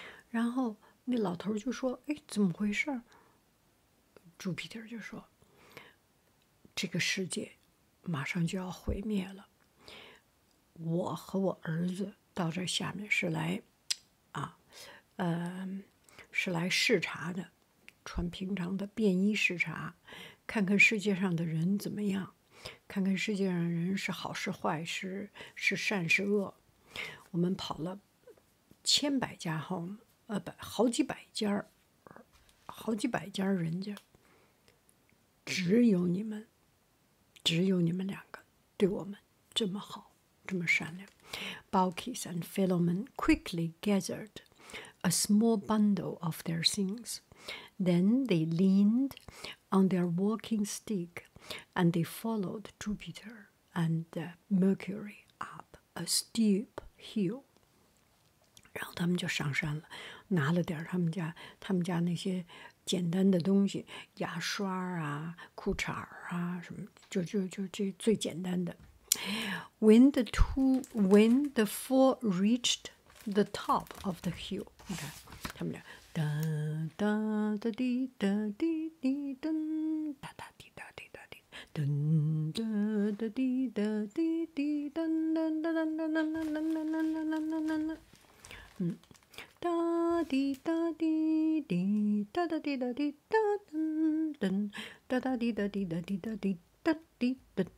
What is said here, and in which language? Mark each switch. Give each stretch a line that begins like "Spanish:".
Chinese: 然后那老头就说，哎，怎么回事？朱庇特就说，这个世界马上就要毁灭了，我和我儿子到这下面是来是来视察的，穿平常的便衣视察，看看世界上的人怎么样，看看世界上的人是好是坏，是善是恶。我们跑了千百家 home， 好几百家人家，只有你们两个对我们这么好，这么善良。
English: Balkis and Philomen quickly gathered a small bundle of their things. Then they leaned on their walking stick and they followed Jupiter and Mercury up a steep hill.
Chinese: 然后他们就上山了，拿了点他们家那些简单的东西，牙刷啊，裤衩啊，什么，就这最简单的。
English: When the four reached the top of the hill, 你看他们俩哒哒哒滴哒滴滴噔哒哒滴哒滴哒滴噔哒哒滴哒滴滴噔噔噔噔噔噔噔噔噔噔噔噔噔噔，哒滴哒滴滴哒哒滴哒滴哒噔噔哒哒滴哒滴哒滴哒滴哒滴哒。